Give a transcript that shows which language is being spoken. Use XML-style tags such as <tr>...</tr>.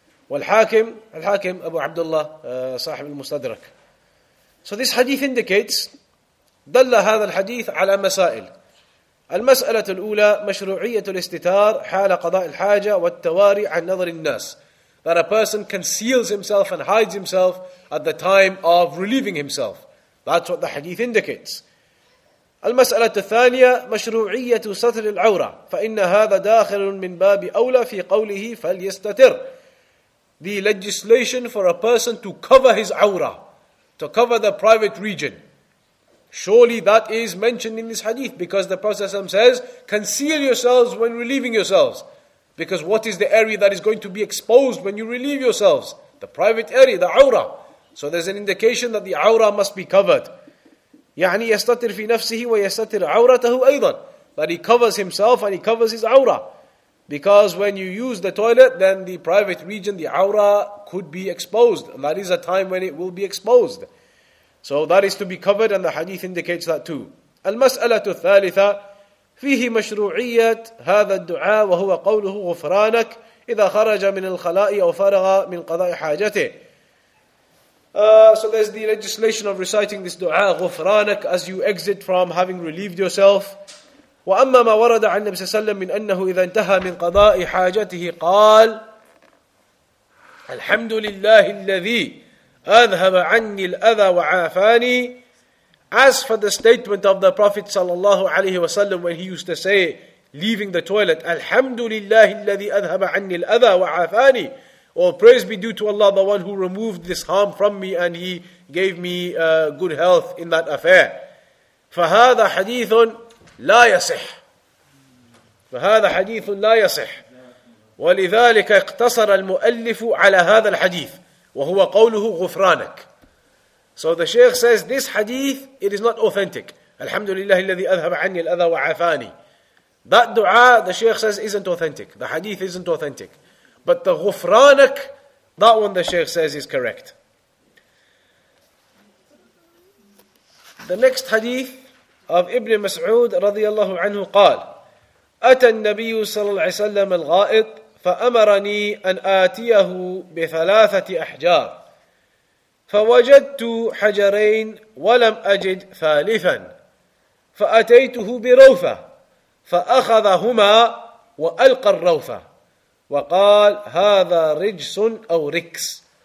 <ar>والحاكم, الحاكم أبو عبد الله صاحب المستدرك.</ar> <en>So this hadith indicates,</en> <ar>دل هذا الحديث على مسائل. المسألة الأولى مشروعية الاستتار حال قضاء الحاجة والتواري عن نظر الناس.</ar> <en>that a person conceals himself and hides himself at the time of relieving himself. That's what the hadith indicates.</en> <ar>المسألة الثانية مشروعية ستر العورة فإن هذا داخل من باب أولى في قوله فليستتر.</ar> <en>The legislation for a person to cover his awra, to cover the private region. Surely that is mentioned in this hadith, because the Prophet ﷺ says, conceal yourselves when relieving yourselves. Because what is the area that is going to be exposed when you relieve yourselves? The private area, the awra. So there's an indication that the awra must be covered.</en> <ar>يعني يستطر في نفسه ويستطر عورته أيضا.</ar> <en>That he covers himself and he covers his awra. Because when you use the toilet, then the private region, the awra, could be exposed. And that is a time when it will be exposed. So that is to be covered, and the hadith indicates that too.</en> <ar>المسألة الثالثة فيه مشروعية هذا الدعاء وهو قوله غفرانك إذا خرج من الخلاء أو فرغ من قضاء حاجته.</ar> <en>So there's the legislation of reciting this dua, غفرانك, as you exit from having relieved yourself.</en> <ar>وأما ما ورد عن النبي صلى الله عليه وسلم من أنه إذا انتهى من قضاء حاجته قال الحمد لله الذي أذهب عني الأذى وعافاني.</ar> <en>As for the statement of the Prophet صلى الله عليه وسلم when he used to say leaving the toilet,</en> <ar>الحمد لله الذي أذهب عني الأذى وعافاني.</ar> <en>All praise be due to Allah, the one who removed this harm from me and he gave me good health in that affair.</en> <ar>فهذا حديث لا يصح. فهذا حديث لا يصح. ولذلك اقتصر المؤلف على هذا الحديث وهو قوله غفرانك.</ar> <en>So the Shaykh says this hadith, it is not authentic.</en> <ar>الحمد لله الذي أذهب عني الأذى وعافاني.</ar> <en>That dua, the Shaykh says, isn't authentic. The hadith isn't authentic. But the غفرانك, that one the Shaykh says is correct. The next hadith of</en> <ar>Ibn Mas'ud رضي الله عنه قال أتى النبي صلى الله عليه وسلم الغائط فأمرني أن آتيه بثلاثة أحجار فوجدت حجرين ولم أجد ثالثا فأتيته بروثة فأخذهما وألقى الروثة وقال هذا رجس أو ركس.</ar>